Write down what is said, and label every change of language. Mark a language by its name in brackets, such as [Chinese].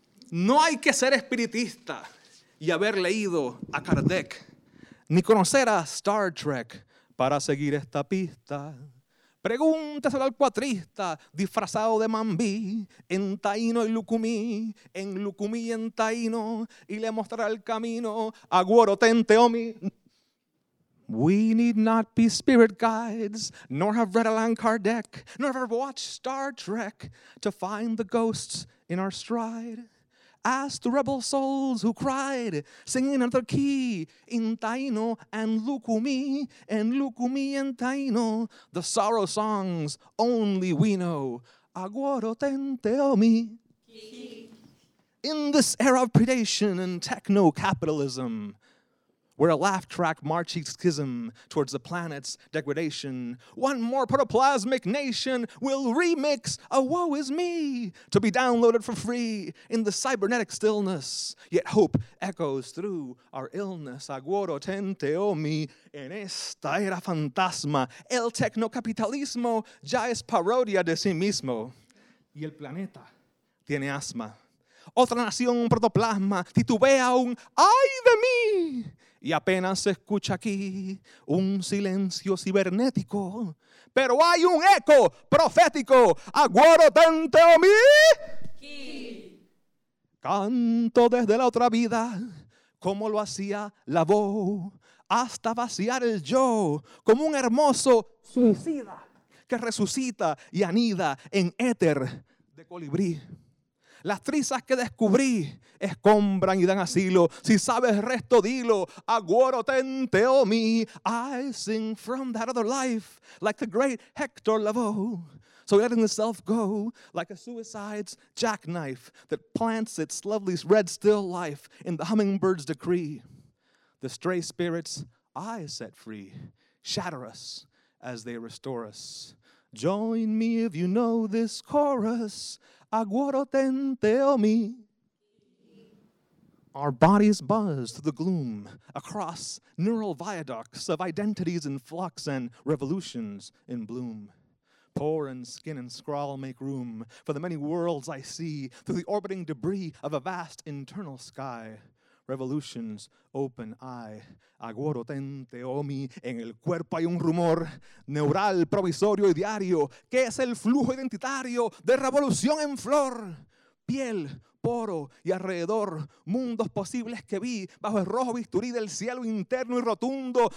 [Spanish] No hay que ser espiritista y haber leído a Kardec, ni conocer a Star Trek para seguir esta pista. Pregúntaselo al cuatrista disfrazado de Mambí en Taíno y Lucumí, en Lucumí y en Taíno, y le mostrará el camino a Guorotente Omi. [English] We need not be spirit guides, nor have read Allan Kardec, nor have watched Star Trek to find the ghosts in our stride. Ask the rebel souls who cried, singing another key, in Taíno and Lucumí in Taíno, the sorrow songs only we know. Aguorotente Omi. In this era of predation and techno-capitalism, where a laugh track marching schism towards the planet's degradation, one more protoplasmic nation will remix a woe is me to be downloaded for free in the cybernetic stillness. Yet hope echoes through our illness. [Spanish] Aguorotente Omi, en esta era fantasma, el tecnocapitalismo ya es parodia de sí mismo. Y el planeta tiene asma. Otra nación protoplasma titubea un ¡ay de mí! Y apenas se escucha aquí un silencio cibernético, pero hay un eco profético. Aguorotente Omi. Canto desde la otra vida, como lo hacía la voz, hasta vaciar el yo como un hermoso suicida que resucita y anida en éter de colibrí. Las trizas que descubrí escombran y dan asilo. Si sabes resto, dilo. Aguorotente Omi. [English] I sing from that other life like the great Hector Lavoe. So letting the self go like a suicide's jackknife that plants its lovely red still life in the hummingbird's decree. The stray spirits I set free shatter us as they restore us. Join me if you know this chorus. Aguorotente Omi. Our bodies buzz through the gloom across neural viaducts of identities in flux and revolutions in bloom. Pore and skin and scrawl make room for the many worlds I see through the orbiting debris of a vast internal sky. Revolutions open eye. [Spanish] Aguorotente Omi, en el cuerpo hay un rumor neural, provisorio y diario, que es el flujo identitario de revolución en flor. Piel, poro y alrededor, mundos posibles que vi bajo el rojo bisturí del cielo interno y rotundo.